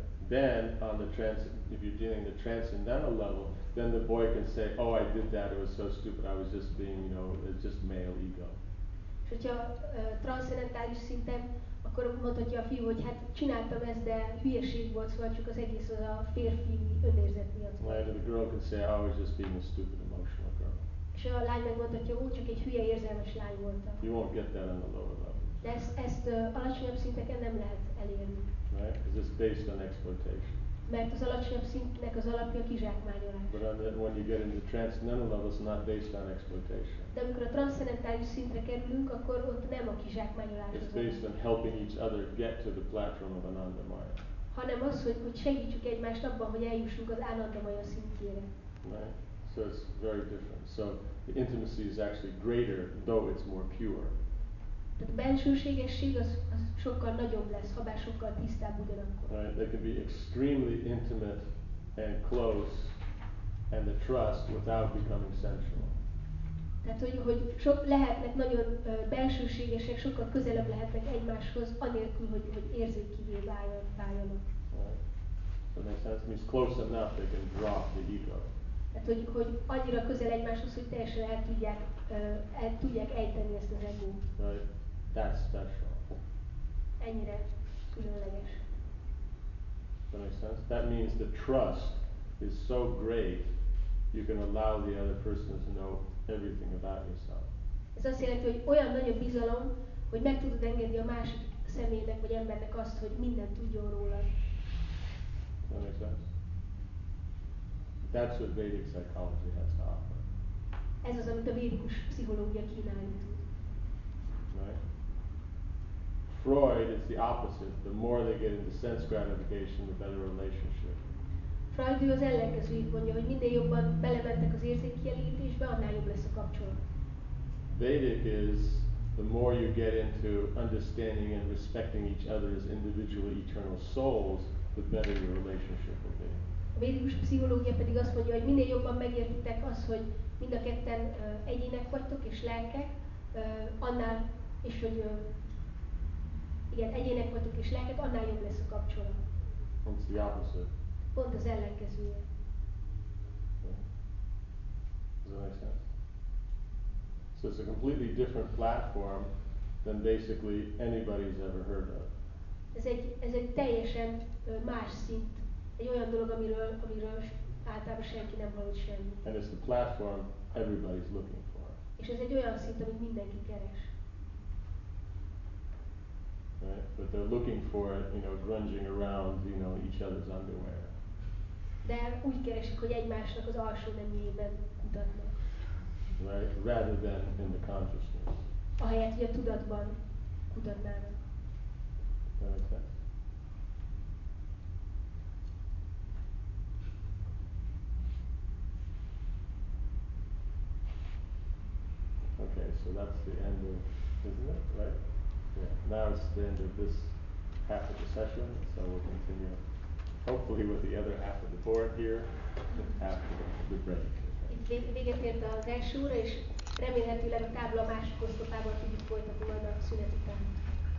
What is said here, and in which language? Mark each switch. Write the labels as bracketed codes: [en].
[en] Then on the if you're dealing the transcendental level, then the boy can say, oh, I did that, it was so stupid, I was just being, you know, it's just male ego. [hu] És hogyha transzcendentális szinten, akkor mondhatja a fiú, hogy hát csináltam ezt, de hülyeség volt, szóval csak az egész az a férfi önérzet miatt. [en] Right, and the girl can say, I was just being a stupid emotional girl. [hu] És a lány megmondhatja, hogy csak egy hülye érzelmes lány voltam. [en] You won't get that on the lower level. [hu] De ezt alacsonyabb szinteken nem lehet elérni. [en] Right? Because it's based on exploitation. [hu] Mert az alacsonyabb szintnek az alapja kizsákmányolás. [en] But when you get into the transcendental level, it's not based on exploitation. [hu] De amikor a transzcendentális szintre kerülünk, akkor ott nem a kizsákmányolás. [en] It's based on helping each other get to the platform of Ananda Maya. [hu] Hanem az, hogy segítsük egymást abban, hogy eljussunk az Ananda Maya szintjére. [en] Right? So it's very different. So the intimacy is actually greater, though it's more pure. [hu] Tehát a bensőségesség az sokkal nagyobb lesz, habár sokkal tisztább ugyanakkor. [en] Right, they can be extremely intimate and close and the trust without becoming sensual. [hu] Tehát hogy sok lehetnek nagyon bensőségesek, sokkal közelebb lehetnek egymáshoz, anélkül, hogy érzékkivé váljanak. [en] Right. So that means close enough they can drop the ego. [hu] Tehát hogy annyira közel egymáshoz, hogy teljesen el tudják ejteni ezt az egót. [en] Right. That's special. [hu] Ennyire különleges. [en] That makes sense? That means the trust is so great, you can allow the other person to know everything about yourself. [hu] Ez azt jelenti, hogy olyan nagy a bizalom, hogy meg tudod engedni a másik személynek vagy embernek azt, hogy minden tudjon róla. [en] That makes sense? That's what Vedic psychology has to offer. [hu] Ez az, amit a védikus pszichológia kínálni tud. [en] Right? Freud, it's the opposite. The more they get into sense gratification, the better relationship. [hu] Freud az ellenkezőjét mondja, hogy minden jobban belementek az érzékkielégítésbe, annál jobb lesz a kapcsolat. [en] Vedic is, the more you get into understanding and respecting each other as individual eternal souls, the better your relationship will be. [hu] A védikus pszichológia pedig azt mondja, hogy minél jobban megértitek azt, hogy mind a ketten egyének vagytok és lelkek, annál is, hogy igen, egyének vagytok és lelkek, annál jobb lesz a kapcsolat. [en] It's the opposite. [hu] Pont az ellenkezője. Yeah. [en] Does that make sense? So it's a completely different platform than basically anybody's ever heard of. [hu] Ez egy teljesen más szint. Egy olyan dolog, amiről általában senki nem hallott semmit. [en] And it's the platform everybody's looking for. [hu] És ez egy olyan szint, amit mindenki keres. [en] Right? But they're looking for it, you know, grunging around, you know, each other's underwear. [hu] De úgy keresik, hogy egymásnak az alsó neműjében kutatnak. [en] Right? Rather than in the consciousness. [hu] Ahelyett, hogy a tudatban kutatnának. [en] That makes sense. Okay, so that's the end of, isn't it, right? Yeah, now it's the end of this half of the session, so we'll continue hopefully with the other half of the board here after the break. [hu] Véget ért az első óra, és remélhetőleg a tábla a másik oszlopában tudjuk folytatni majd a szünet után.